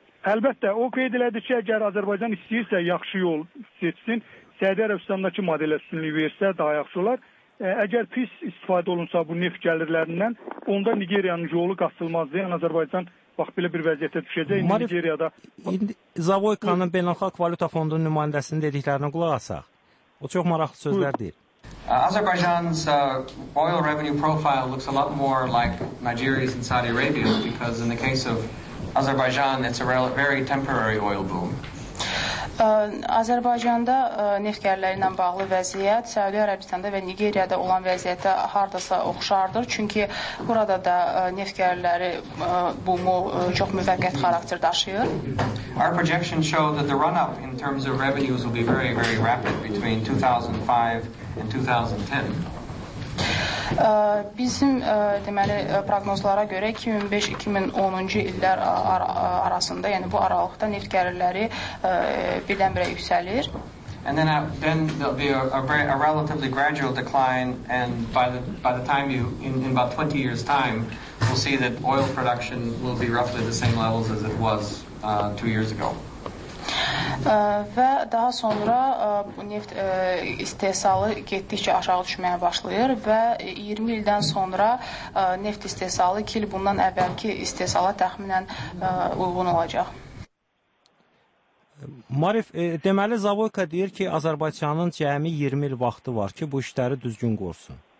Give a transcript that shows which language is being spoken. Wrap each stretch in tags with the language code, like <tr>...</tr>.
<az>Əlbəttə, o qeyd elədi ki, əgər Azərbaycan istəyirsə yaxşı yol seçsin, Səudiyyə Ərəbistandakı modelə üstünlük versə daha yaxşı olar. Əgər pis istifadə olunsa bu neft gəlirlərindən, onda Nigeriyanın yolu qaçılmazdır. Yəni Azərbaycan bax belə bir vəziyyətə düşəcək. Marif, Nigeriyada indi Zavoykanın Beynəlxalq Valyuta Fondunun nümayəndəsinin dediklərinə qulaq asaq. O çox maraqlı sözlər deyir.</az> <en>Azerbaijan's oil revenue profile looks a lot more like Nigeria's and Saudi Arabia's because in the case of Azerbaijan, it's a very temporary oil boom.</en> <az>Azərbaycanda neft gəlirləri ilə bağlı vəziyyət Səudiyyə Ərəbistanda və Nigeriyada olan vəziyyətə hardasa oxşardır. Çünki burada da neft gəlirləri bumu çox müvəqqət xarakter daşıyır.</az> <en>Our projections show that the run-up in terms of revenues will be very, very rapid between 2005 and 2010.</en> <az>Bizim deməli proqnozlara görə 2005-2010-cu illər arasında, yəni bu aralıqda neft gəlirləri birdən-birə yüksəlir.</az> <en>And then there'll be a relatively gradual decline and by the time you in about 20 years time we'll see that oil production will be roughly the same levels as it was 2 years ago.</en> <az>Və daha sonra bu neft istehsalı getdikcə aşağı düşməyə başlayır və 20 ildən sonra neft istehsalı ki, bundan əvvəlki istehsala təxminən uyğun olacaq. Marif, deməli Zavoyka deyir ki, Azərbaycanın cəmi 20 il vaxtı var ki, bu işləri düzgün qorsun.</az>